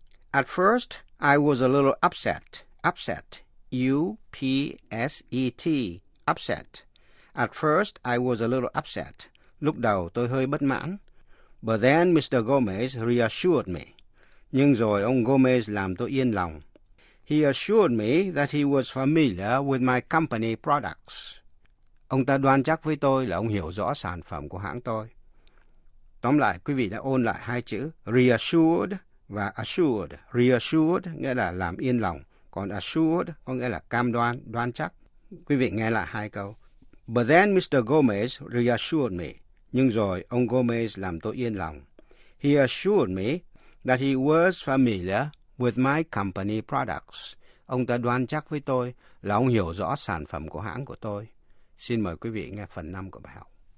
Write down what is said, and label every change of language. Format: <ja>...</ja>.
<en>At first, I was a little upset. Upset, U-P-S-E-T, upset. At first, I was a little upset.</en> <vi>Lúc đầu, tôi hơi bất mãn.</vi> <en>But then Mr. Gomez reassured me.</en> <vi>Nhưng rồi ông Gomez làm tôi yên lòng.</vi> <en>He assured me that he was familiar with my company products.</en> <vi>Ông ta đoan chắc với tôi là ông hiểu rõ sản phẩm của hãng tôi. Tóm lại, quý vị đã ôn lại hai chữ reassured và assured. Reassured nghĩa là làm yên lòng, còn assured có nghĩa là cam đoan, đoan chắc. Quý vị nghe lại hai câu.</vi> <en>But then Mr. Gomez reassured me.</en> <vi>Nhưng rồi ông Gomez làm tôi yên lòng.</vi> <en>He assured me that he was familiar with my company products.</en> <vi>Ông ta đoan chắc với tôi là ông hiểu rõ sản phẩm của hãng của tôi. Xin mời quý vị nghe phần 5 của bài học.</vi>